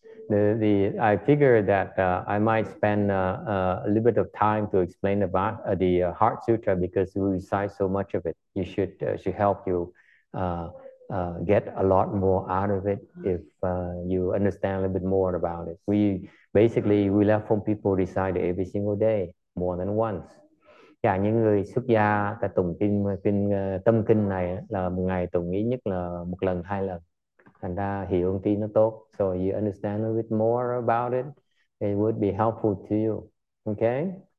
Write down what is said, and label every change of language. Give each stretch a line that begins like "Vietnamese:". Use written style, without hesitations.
English: The I figure that I might spend a little bit of time to explain about the Heart Sutra because we recite so much of it. You should help you get a lot more out of it if you understand a little bit more about it. We let from people recite it every single day more than once.
Vietnamese: Cả những người xuất gia ta tụng kinh tâm kinh này là một ngày tụng ít nhất là một lần hai lần. Thành ra hiểu một tí nó tốt.
English: So you understand a little bit more about it, it would be helpful to you. Okay?